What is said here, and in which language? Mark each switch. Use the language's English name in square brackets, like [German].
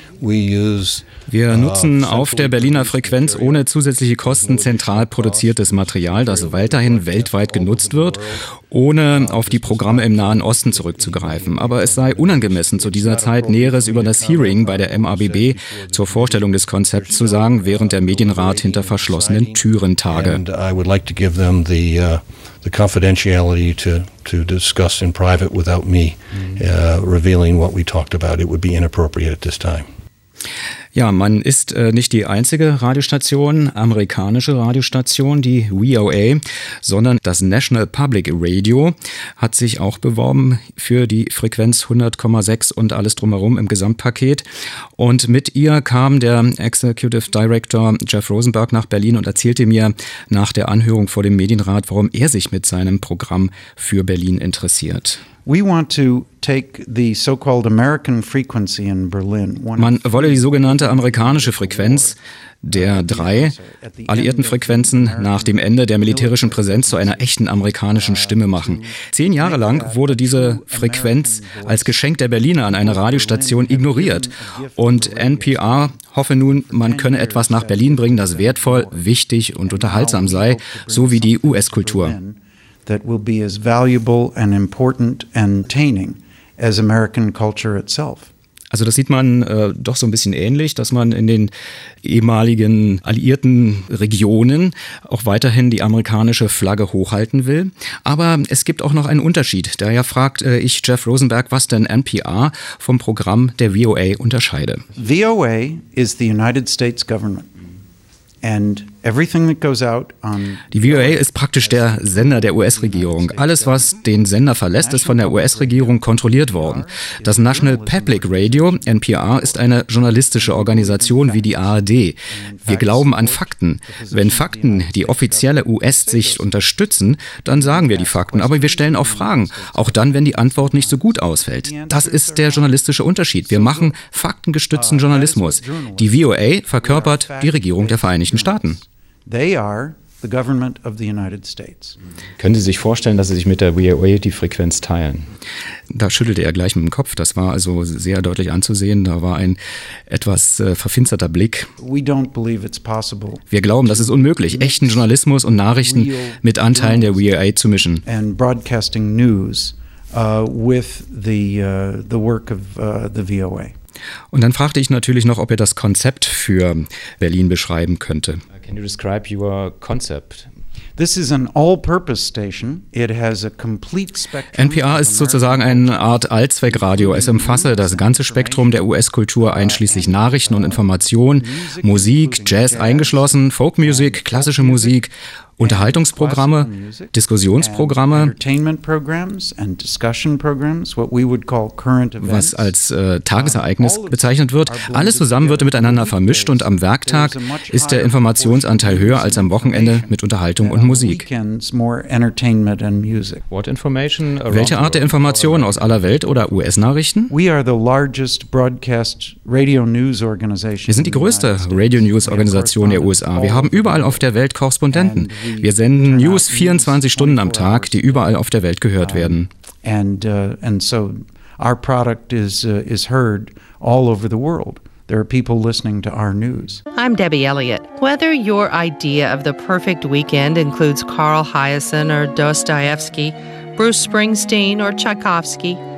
[German] Wir nutzen auf der Berliner Frequenz ohne zusätzliche Kosten zentral produziertes Material, das weiterhin weltweit genutzt wird, ohne auf die Programme im Nahen Osten zurückzugreifen. Aber es sei unangemessen, zu dieser Zeit Näheres über das Hearing bei der MABB zur Vorstellung des Konzepts zu sagen, während der Medienrat hinter verschlossenen Türen tage. [English] The confidentiality to discuss in private without me revealing what we talked about. It would be inappropriate at this time. [German] Ja, man ist nicht die einzige Radiostation, amerikanische Radiostation, die VOA, sondern das National Public Radio hat sich auch beworben für die Frequenz 100,6 und alles drumherum im Gesamtpaket. Und mit ihr kam der Executive Director Jeff Rosenberg nach Berlin und erzählte mir nach der Anhörung vor dem Medienrat, warum er sich mit seinem Programm für Berlin interessiert. [English] We want to take the so-called American frequency in Berlin. [German] Man wolle die sogenannte amerikanische Frequenz der drei alliierten Frequenzen nach dem Ende der militärischen Präsenz zu einer echten amerikanischen Stimme machen. 10 Jahre lang wurde diese Frequenz als Geschenk der Berliner an eine Radiostation ignoriert. Und NPR hoffe nun, man könne etwas nach Berlin bringen, das wertvoll, wichtig und unterhaltsam sei, so wie die US-Kultur. [English] That will be as valuable and important and entertaining as American culture itself. [German] Also das sieht man doch so ein bisschen ähnlich, dass man in den ehemaligen alliierten Regionen auch weiterhin die amerikanische Flagge hochhalten will. Aber es gibt auch noch einen Unterschied. Daher fragt ich Jeff Rosenberg, was denn NPR vom Programm der VOA unterscheide. [English] VOA is the United States government. [German] Die VOA ist praktisch der Sender der US-Regierung. Alles, was den Sender verlässt, ist von der US-Regierung kontrolliert worden. Das National Public Radio, NPR, ist eine journalistische Organisation wie die ARD. Wir glauben an Fakten. Wenn Fakten die offizielle US-Sicht unterstützen, dann sagen wir die Fakten. Aber wir stellen auch Fragen, auch dann, wenn die Antwort nicht so gut ausfällt. Das ist der journalistische Unterschied. Wir machen faktengestützten Journalismus. Die VOA verkörpert die Regierung der Vereinigten Staaten. [English] They are the government of the United States. [German] Können Sie sich vorstellen, dass Sie sich mit der VOA die Frequenz teilen? Da schüttelte er gleich mit dem Kopf. Das war also sehr deutlich anzusehen. Da war ein etwas verfinsterter Blick. [English] We don't believe it's possible. [German] Wir glauben, das ist unmöglich, echten Journalismus und Nachrichten mit Anteilen der VOA zu mischen. [English] And broadcasting news with the work of the VOA. [German] Und dann fragte ich natürlich noch, ob er das Konzept für Berlin beschreiben könnte. [English] Can you describe your concept? This is an all-purpose station. It has a complete spectrum. [German] NPR ist sozusagen eine Art Allzweckradio. Es umfasse das ganze Spektrum der US-Kultur, einschließlich Nachrichten und Informationen, Musik, Jazz eingeschlossen, Folkmusik, klassische Musik, Unterhaltungsprogramme, Diskussionsprogramme, was als Tagesereignis bezeichnet wird. Alles zusammen wird miteinander vermischt und am Werktag ist der Informationsanteil höher als am Wochenende mit Unterhaltung und Musik. Welche Art der Informationen aus aller Welt oder US-Nachrichten? Wir sind die größte Radio-News-Organisation der USA. Wir haben überall auf der Welt Korrespondenten. Wir senden News 24 Stunden am Tag, die überall auf der Welt gehört werden. [English] And so our product is heard all over the world. There are people listening to our news. I'm Debbie Elliott. Whether your idea of the perfect weekend includes Carl Hiaasen or Dostoevsky, Bruce Springsteen or Tchaikovsky,